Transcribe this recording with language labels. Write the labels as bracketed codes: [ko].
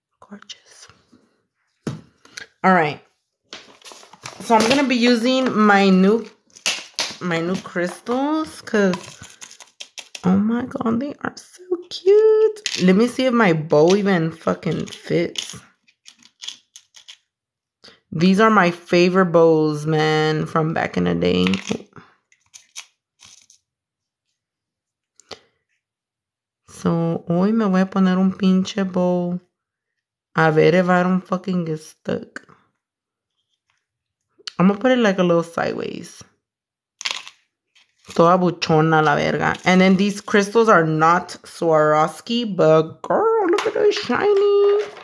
[en] Gorgeous. All right. So I'm going to be using my new crystals because, oh my God, they are so cute. Let me see if my bow even fucking fits. These are my favorite bows, man, from back in the day. [es] So hoy me voy a poner un pinche bow. A ver [en] if I don't fucking get stuck. I'm gonna put it like a little sideways. [es] Toda buchona la verga. [en] And then these crystals are not Swarovski, but girl, look at those shiny.